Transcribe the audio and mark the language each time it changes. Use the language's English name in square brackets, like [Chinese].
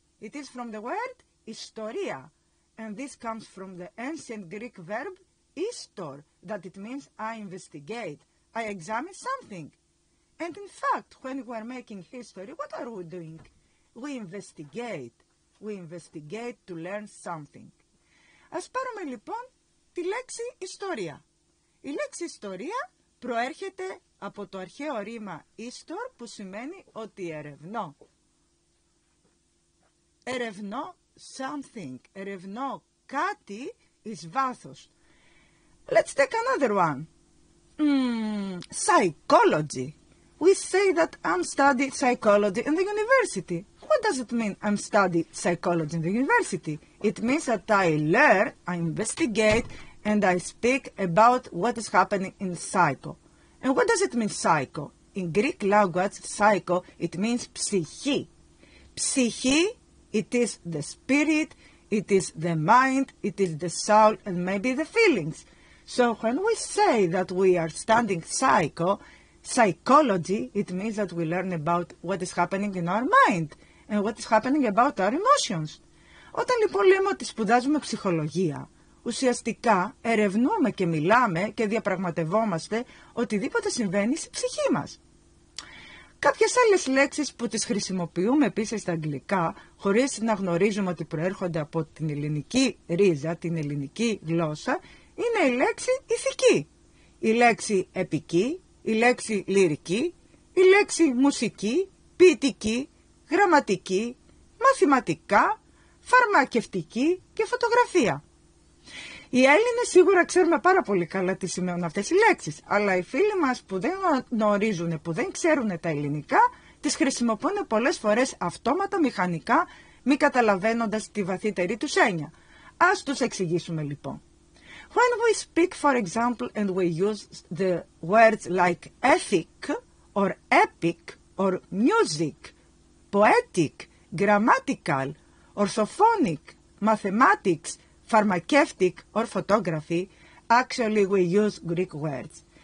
[English] It is from the word historia. And this comes from the ancient Greek verb istor, that it means I investigate, I examine something. And in fact, when we are making history, what are we doing? We investigate. We investigate to learn something. [Greek] Ας πάρουμε λοιπόν τη λέξη ιστορία. Η λέξη ιστορία προέρχεται από το αρχαίο ρήμα ιστορ που σημαίνει ότι ερευνώ. Ερευνώ [English] something. [Greek] Ερευνώ κάτι εις βάθος. [English] Let's take another one. Psychology. We say that I'm studying psychology in the university. What does it mean, I'm studying psychology in the university? It means that I learn, I investigate, and I speak about what is happening in psycho. And what does it mean, psycho? In Greek language, psycho, it means ψυχή. Ψυχή, it is the spirit, it is the mind, it is the soul, and maybe the feelings. So when we say that we are studying psycho, psychology, it means that we learn about what is happening in our mind and what is happening about our emotions. [Greek] Όταν λοιπόν λέμε ότι σπουδάζουμε ψυχολογία, ουσιαστικά ερευνούμε και μιλάμε και διαπραγματευόμαστε οτιδήποτε συμβαίνει στη ψυχή μας. Κάποιες άλλες λέξεις που τις χρησιμοποιούμε επίσης στα αγγλικά, χωρίς να γνωρίζουμε ότι προέρχονται από την ελληνική ρίζα, την ελληνική γλώσσα, είναι η λέξη ηθική, η λέξη επική, η λέξη λυρική, η λέξη μουσική, ποιητική, γραμματική, μαθηματικά, φαρμακευτική και φωτογραφία. Οι Έλληνες σίγουρα ξέρουμε πάρα πολύ καλά τι σημαίνουν αυτές οι λέξεις, αλλά οι φίλοι μας που δεν γνωρίζουν, που δεν ξέρουν τα ελληνικά, τις χρησιμοποιούν πολλές φορές αυτόματα, μηχανικά, μη καταλαβαίνοντας τη βαθύτερη τους έννοια. Ας τους εξηγήσουμε λοιπόν. [English] When we speak, for example, and we use the words like ethic, or epic, or music, poetic, grammatical, orthophonic, mathematics, pharmaceutic, or photography, actually we use Greek words.